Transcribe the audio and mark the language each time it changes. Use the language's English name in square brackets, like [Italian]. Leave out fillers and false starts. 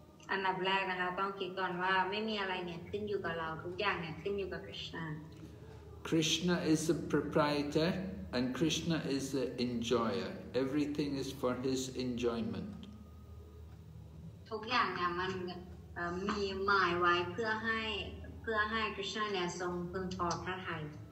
[Thai] อันดับแรกนะคะต้องคิดก่อนว่าไม่มีอะไรเนี่ยขึ้นอยู่กับเราทุกอย่างเนี่ยขึ้นอยู่กับ Krishna [English] Krishna is the proprietor and Krishna is the enjoyer everything is for his enjoyment [Thai] ทุกอย่างเนี่ยมันมีหมายไว้เพื่อให้ Krishna เนี่ยทรงพึงพอพระทัย